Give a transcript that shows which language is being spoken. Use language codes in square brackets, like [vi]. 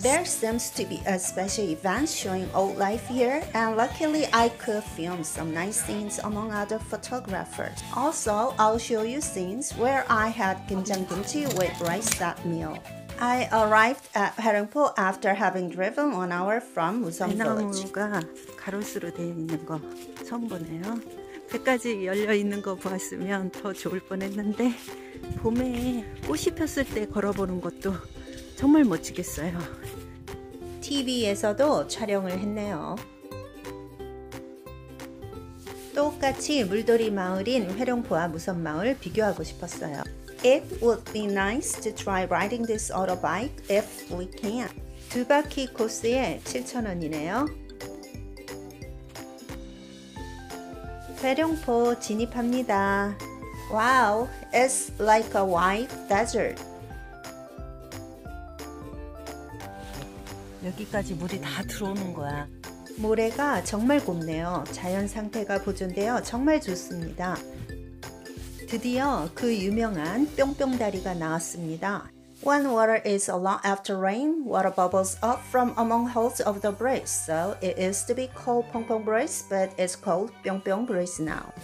[en] There seems to be a special event showing old life here, and luckily I could film some nice scenes among other photographers. Also, I'll show you scenes where I had gimjang-kimchi with rice that meal. I arrived at Haeryongpo after having driven 1 hour from Museum Village. [ko] 대나무가 가로수로 되어 있는 거 처음 보네요. 100가지 열려 있는 거 보았으면 더 좋을 뻔했는데 봄에 꽃이 폈을 때 걸어보는 것도 정말 멋지겠어요. TV에서도 촬영을 했네요. 똑같이 물돌이 마을인 회룡포와 무선마을 비교하고 싶었어요. [en] It would be nice to try riding this auto bike if we can. [ko] 두 바퀴 코스에 7,000원이네요. 회룡포 진입합니다. [en] Wow, it's like a white desert. [ko] 여기까지 물이 다 들어오는 거야. 모래가 정말 곱네요. 자연 상태가 보존되어 정말 좋습니다. 드디어 그 유명한 뿅뿅다리가 나왔습니다. [en] When water is a lot after rain, water bubbles up from among holes of the bridge. So it is to be called Pongpong Bridge, but it's called Pyeongpyeong Bridge now.